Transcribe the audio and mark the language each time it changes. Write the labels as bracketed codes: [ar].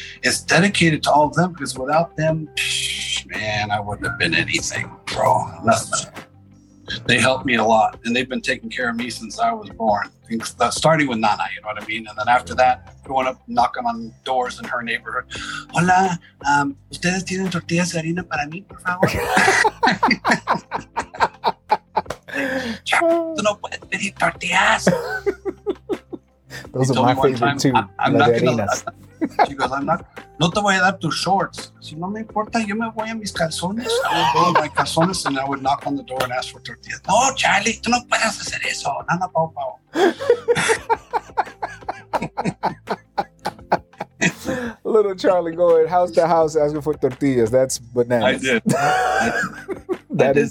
[en] It's dedicated to all of them, because without them, man, I wouldn't have been anything, bro. Nothing. They helped me a lot, and they've been taking care of me since I was born, starting with Nana, you know what I mean? And then after that, going up knocking on doors in her neighborhood. [es] Hola, ¿ustedes tienen tortillas de harina para mí, por favor? ¿Tú no puedes pedir tortillas? [en] Those are my favorite, time, too. I'm not going to... She goes, [es] no te voy a dar tus shorts. Si no me importa, yo me voy a mis calzones. [en] I would go to my calzones and I would knock on the door and ask for tortillas. [es] No, Charlie, tú no puedes hacer eso. Nana, pao, pao. [en] Little Charlie going house to house asking for tortillas. That's bananas. I did. I did.